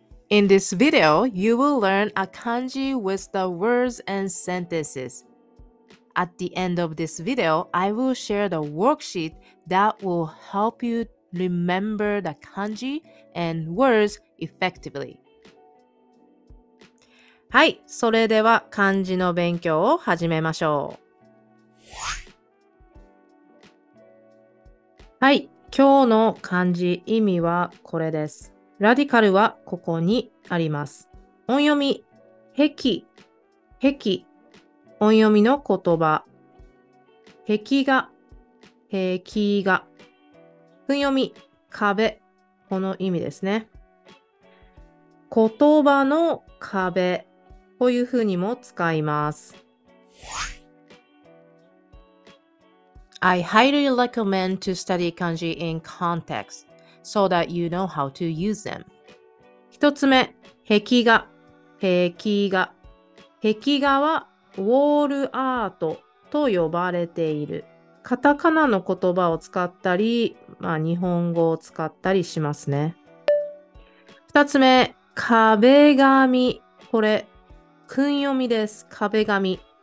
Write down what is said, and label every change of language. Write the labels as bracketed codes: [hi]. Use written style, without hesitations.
[en] In this video, you will learn a kanji with the words and sentences. At the end of this video, I will share the worksheet that will help you remember the kanji and words effectively. [ja] はい、それでは漢字の勉強を始めましょう。はい、今日の漢字意味はこれです。ラディカルはここにあります。音読み、壁、壁、音読みの言葉、壁画、壁画、訓読み、壁、この意味ですね。言葉の壁、こういうふうにも使います。 [en] I highly recommend to study kanji in context so that you know how to use them. [ja] 一つ目、壁画、壁画。壁画はウォールアートと呼ばれている。カタカナの言葉を使ったり、まあ、日本語を使ったりしますね。二つ目、壁紙。これ、訓読みです。壁紙。